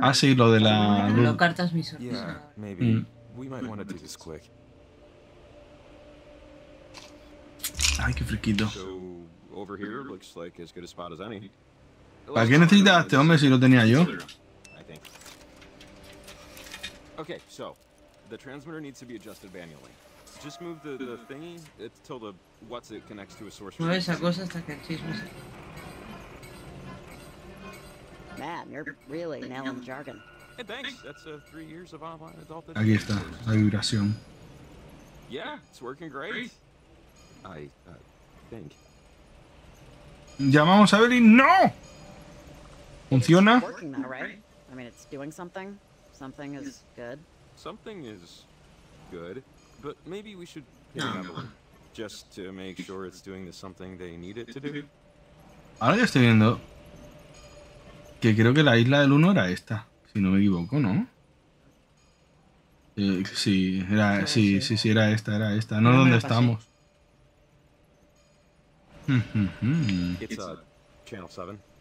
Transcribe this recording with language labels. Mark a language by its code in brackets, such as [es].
[es] Ah, sí, lo de la luz. Lo cartas mi sorpresa. [en] Yeah, maybe. We might want to do this quick. [es] Ay, qué friquito. [en] So, over here looks like as good a spot as any. [es] ¿Para qué necesitas a este hombre si lo tenía yo? [en] Okay, so the transmitter needs to be adjusted manually. Just move the thingy until the what's it connects to a source. [es] Mueve esa cosa hasta que el chisme. [en] Man, you're really nailing the jargon. Hey, thanks. That's 3 years of online adult [es] education. Aquí está la vibración. [en] Yeah, it's working great. I think. [es] Llamamos a Evelyn. No. Funciona. [en] It's working now, right? I mean, it's doing something. Something is good. Something is good, but maybe we should hit him up just to make sure it's doing the something they need it to do. [es] Ahora ya estoy viendo que creo que la isla del uno era esta, si no me equivoco, ¿no? Sí, era, sí, sí, sí, sí, era esta, no donde estamos. [en] It's channel 7.